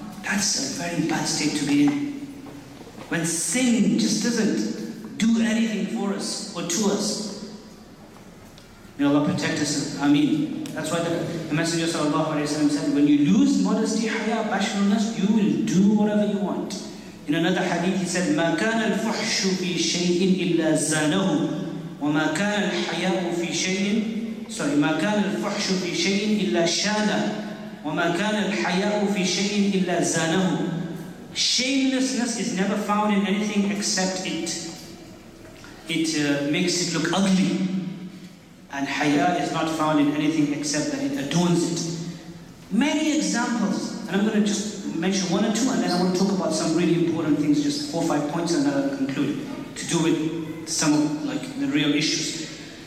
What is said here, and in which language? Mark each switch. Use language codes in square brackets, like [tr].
[en] That's a very bad state to be in. When sin just doesn't do anything for us or to us, may Allah protect us. Ameen. That's why the Messenger sallallahu alayhi wa sallam said, when you lose modesty, haya, bashfulness, you will do whatever you want. [ar] In another hadith, he said, مَا كَانَ الْفُحْشُ فِي شَيْءٍ إِلَّا زَانَهُ وَمَا كَانَ الْحَيَاءُ فِي شَيْءٍ [en] Sorry, [ar] مَا كَانَ الْفُحْشُ فِي شَيْءٍ إِلَّا شَانَ وَمَا كَانَ الْحَيَاءُ فِي شَيْءٍ إِلَّا زَانَهُ [en] Shamelessness is never found in anything except it. It makes it look ugly. And haya is not found in anything except that it adorns it. Many examples, and I'm going to just mention one or two, and then I want to talk about some really important things, just four or five points, and then I'll conclude to do with some of like the real issues.